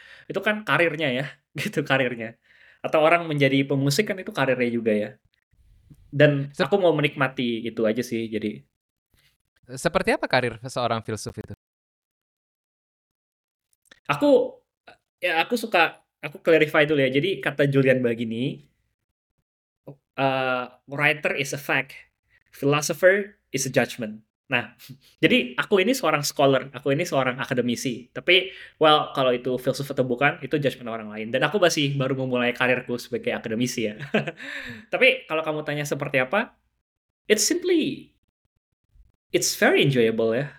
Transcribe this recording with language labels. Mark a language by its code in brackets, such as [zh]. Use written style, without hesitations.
[id] Itu kan karirnya ya, gitu karirnya. Atau orang menjadi pemusik kan itu karirnya juga ya. Dan aku mau menikmati itu aja sih, jadi. Seperti apa karir seorang filsuf itu? Aku suka, aku clarify dulu ya. Jadi kata Julian Bagini, [en] writer is a fact, philosopher is a judgment. [id] Nah, jadi aku ini seorang scholar, aku ini seorang akademisi. Tapi, well, kalau itu filsuf atau bukan, itu judgment orang lain. Dan aku masih baru memulai karirku sebagai akademisi ya. Tapi kalau kamu tanya seperti apa, [en] it's simply, it's very enjoyable [id] ya.